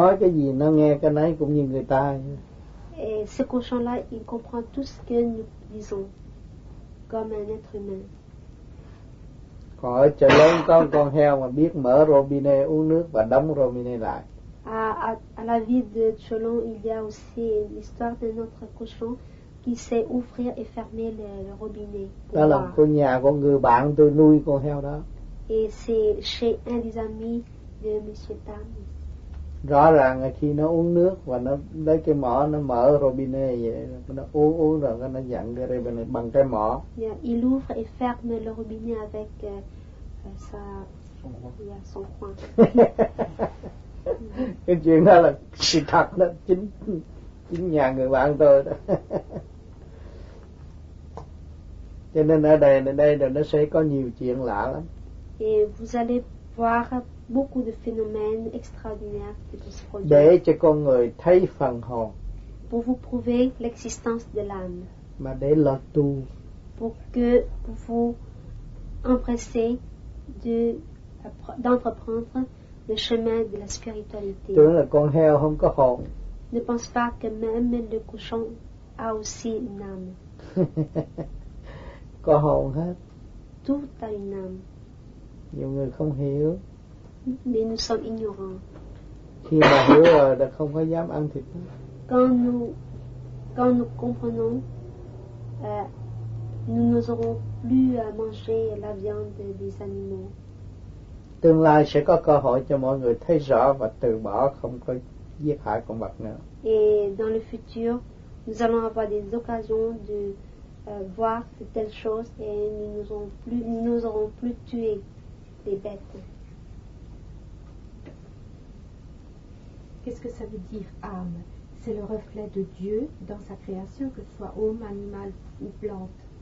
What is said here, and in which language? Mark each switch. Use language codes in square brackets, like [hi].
[vi] Nói cái gì nó nghe cái nấy cũng như người ta. [fr] Et ce cochon-là, il comprend tout ce que nous disons, comme un être humain. [vi] Còn ở chợ lớn có con heo mà biết mở robinet uống nước và đóng robinet lại. [fr] À la ville de Cholon, il y a aussi l'histoire de notre cochon qui sait ouvrir et fermer le robinet. [vi] Đó là cô nhà của người bạn tôi nuôi con heo đó. [fr] Et c'est chez un des amis de Monsieur Tam. [vi] Rõ ràng là khi nó uống nước và nó lấy cái mỏ nó mở robinet vậy, nó uống rồi nó dặn cái robinet bằng cái mỏ. [fr] Yeah, il ouvre et ferme le robinet avec sa son coin. [vi] Cái chuyện đó là sự thật đó, chính nhà người bạn tôi đó. Cho nên ở đây rồi nó sẽ có nhiều chuyện lạ lắm. [fr] Et vous allez voir beaucoup de phénomènes extraordinaires qui peuvent se produire. [vi] Để cho con người thấy phần hồn. [fr] Pour vous prouver l'existence de l'âme. [vi] Mà để lọt tu. [fr] Pour que vous empressez d'entreprendre le chemin de la spiritualité. [vi] Tưởng là con heo không có hồn. [fr] Ne pense pas que même le cochon a aussi une âme. [vi] Có hồn hết. [fr] Tout a une âme. [vi] Nhiều người không hiểu. [fr] Mais nous sommes ignorants. [vi] Khi mà hiểu rồi là không có dám ăn thịt. [fr] Quand nous comprenons, nous n'oserons plus à manger la viande des animaux. [vi] Tương lai sẽ có cơ hội cho mọi người thấy rõ và từ bỏ không có giết hại con vật nữa. [fr] Et dans le futur, nous allons avoir des occasions de voir de telles choses et nous n'aurons plus tué les bêtes. Qu'est-ce que ça veut dire âme? C'est le reflet de Dieu dans sa création, que ce soit homme, animal ou plante.